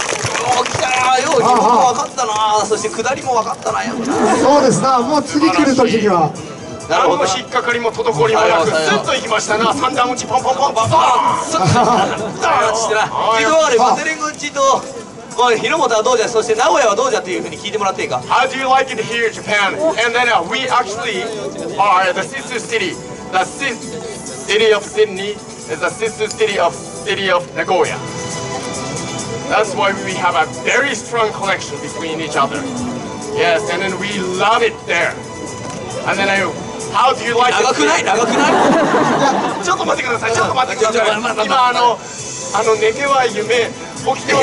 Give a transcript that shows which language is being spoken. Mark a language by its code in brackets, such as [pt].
[ja] 来たよ、よう地元分かったな、そして下りも分かったな、やっそうですな、もう次来る時には何も引っかかりも滞りもなく、スッと行きましたな、三段打ちポンポンポンポンポンスッと、スッと、スッと、スッと、スッと、まあ、広本はどうじゃ、そして名古屋はどうじゃというふうに聞いてもらっていいか。 [en] How do you like it here, Japan? And then we actually are the sister city. The city of Sydney is the sister city of Nagoya. That's why we have a very strong connection between each other. Yes, and then we love it there. And then I... How do you like [ja] 長くない長くないちょっと待ってください、ちょっと待ってください、まあまあまあ、今あの寝ては夢、起きては